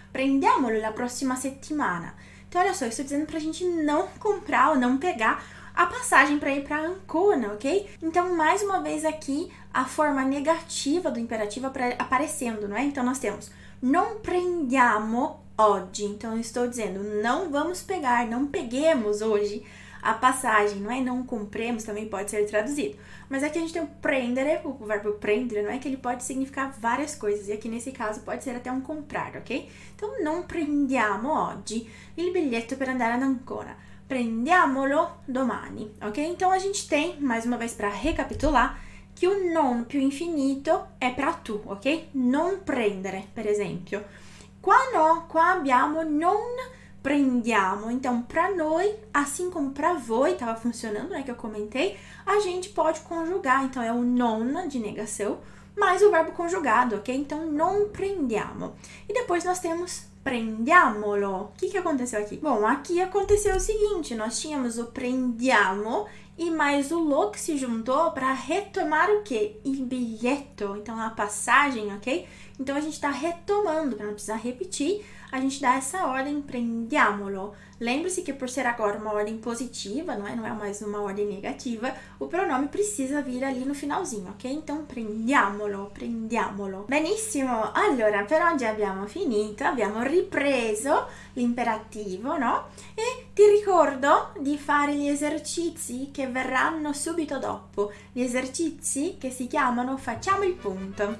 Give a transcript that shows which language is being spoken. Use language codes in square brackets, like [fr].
[it] Prendiamolo la prossima settimana. [pt] Então, olha só, eu estou dizendo para a gente não comprar ou não pegar a passagem para ir para Ancona, ok? Então, mais uma vez aqui, a forma negativa do imperativo aparecendo, não é? Então, nós temos [it] non prendiamo oggi. [pt] Então, eu estou dizendo não vamos pegar, não peguemos hoje a passagem, não é? Não compremos, também pode ser traduzido. Mas aqui a gente tem o prendere, o verbo prendere, não é? Que ele pode significar várias coisas. E aqui, nesse caso, pode ser até um comprar, ok? [it] Então, non prendiamo oggi il biglietto per andare ad Ancona. Prendiamolo domani, ok? [pt] Então, a gente tem, mais uma vez para recapitular, que o [it] non più infinito [pt] é para tu, ok? [it] Non prendere, per esempio. Qua no, qua abbiamo non prendiamo. [pt] Então, para noi, assim como para voi, estava funcionando, né, que eu comentei, a gente pode conjugar. Então, é o non de negação mais o verbo conjugado, ok? Então, non prendiamo. E depois nós temos prendiamolo. O que aconteceu aqui? Bom, aqui aconteceu o seguinte, nós tínhamos o prendiamo e mais o lo que se juntou para retomar o quê? [it] Il biglietto, [pt] então a passagem, ok? Então, a gente está retomando, para não precisar repetir, a gente dá essa ordem, prendiamolo. Lembre-se que por ser agora uma ordem positiva, não é? Não é mais uma ordem negativa, o pronome precisa vir ali no finalzinho, ok? [it] Então, prendiamolo, prendiamolo. Benissimo! Allora, per oggi abbiamo finito, abbiamo ripreso l'imperativo, no? E ti ricordo di fare gli esercizi che verranno subito dopo. Gli esercizi che si chiamano facciamo il punto.